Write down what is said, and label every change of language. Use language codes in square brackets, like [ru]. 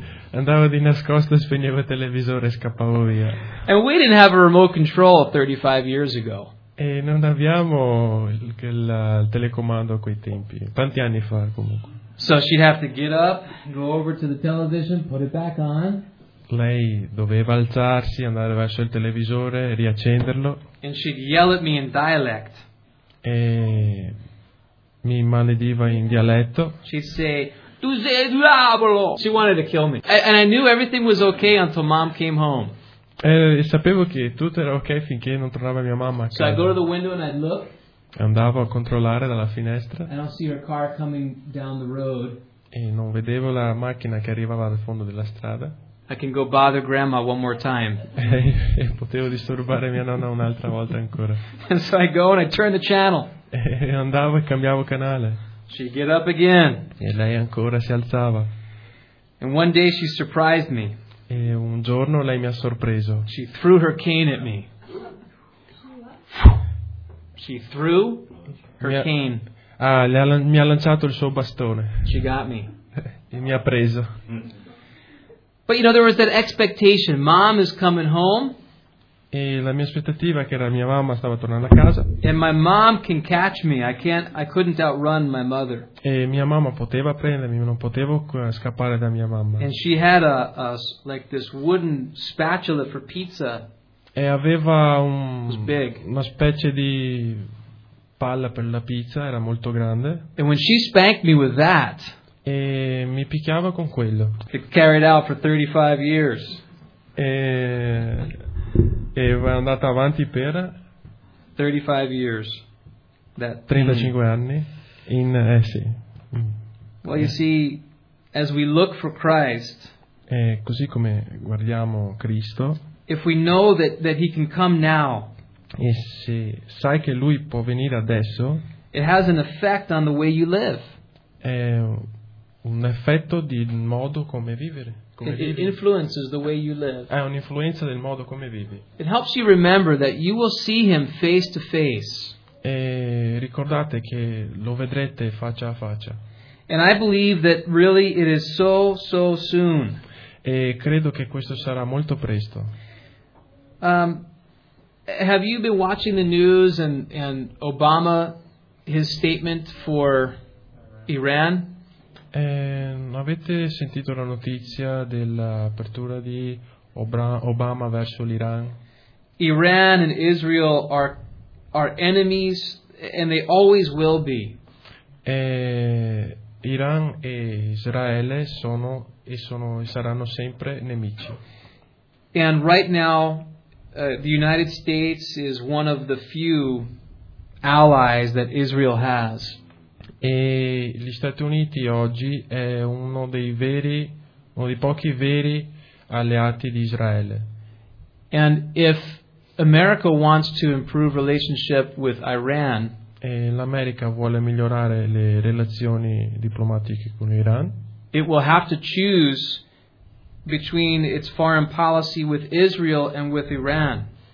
[it] Andavo di nascosto, spegnevo il televisore e scappavo via. [en] And we didn't have a remote control 35 years ago. [it] E non abbiamo il telecomando a quei tempi, tanti anni fa comunque. [en] So she'd have to get up, go over to the television, put it back on. [it] Lei doveva alzarsi, andare verso il televisore, riaccenderlo. [en] And she'd yell at me in dialect. [it] E mi malediva in dialetto. [en] She'd say, [it] "Tu sei diavolo!" [en] She wanted to kill me. And I knew everything was okay until mom came home. [it] E sapevo che tutto era ok finché non tornava mia mamma a casa. [en] So I'd go to the window and I'd look. [it] Andavo a controllare dalla finestra. [en] And I'd see her car coming down the road. [it] E non vedevo la macchina che arrivava dal fondo della strada. [en] I can go bother grandma one more time. [it] E potevo disturbare mia nonna un'altra volta ancora. [en] And so I go and I turn the channel. [it] E andavo e cambiavo canale. [en] She'd get up again. [it] E lei ancora si alzava. [en] And one day she surprised me. [it] E un giorno lei mi ha sorpreso. [en] She threw her cane at me. She threw her cane. [it] Mi ha lanciato il suo bastone. [en] She got me. [it] E mi ha preso. [en] But you know, there was that expectation. Mom is coming home. [it] E la mia aspettativa che era mia mamma stava tornando a casa. [en] And my mom can catch me. I couldn't outrun my mother. [it] E mia mamma poteva prendermi, non potevo scappare da mia mamma. [en] And she had a like this wooden spatula for pizza. [it] E aveva un [en] was big. [it] Una specie di palla per la pizza, era molto grande. [en] And when she spanked me with that. [it] E mi picchiava con quello. [en] It carried out for 35 years. [it] E è andata avanti per 35 anni in sì. [en] Well, you see, as we look for Christ, [it] e così come guardiamo Cristo, [en] if we know that he can come now, [it] e se sai che lui può venire adesso, [en] it has an effect on the way you live. [it] È un effetto di modo come vivere. [en] It influences the way you live. [it] È un'influenza del modo come vivi. [en] It helps you remember that you will see him face to face. [it] E ricordate che lo vedrete faccia a faccia. [en] And I believe that really it is so soon. [it] E credo che questo sarà molto presto. [en] Have you been watching the news and Obama, his statement for Iran? [it] Avete sentito la notizia dell'apertura di Obama verso l'Iran? [en] Iran and Israel are enemies and they always will be. [it] Iran e Israele sono e saranno sempre nemici. [en] And right now the United States is one of the few allies that Israel has. [it] E gli Stati Uniti oggi è uno dei veri, uno dei pochi veri alleati di Israele. [en] And if America wants to improve relationship with Iran, [it] e l'America vuole migliorare le relazioni diplomatiche con l'Iran, [en] it will have to choose between its foreign policy with Israel and with Iran.